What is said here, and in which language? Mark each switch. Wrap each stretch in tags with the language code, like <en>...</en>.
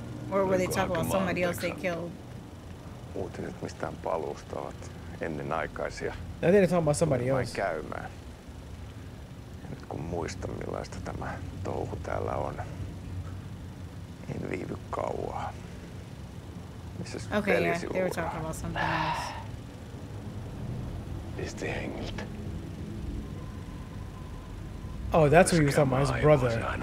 <en>Or were they talking about somebody else they killed?</en> <fi>Uutiset mistään paluusta ovat ennen aikaisia.</fi> <en>I think they're talking about somebody else.</en> <fi>Tulemme käymään. Nyt kun muistan, millaista tämä touhu täällä on, en viivy kauaa.</fi> <en>Okay, yeah, they were talking about something else.</en> <fi>Pisti hengiltä.</fi> <en>Oh, that's what he was talking about, his brother.</en>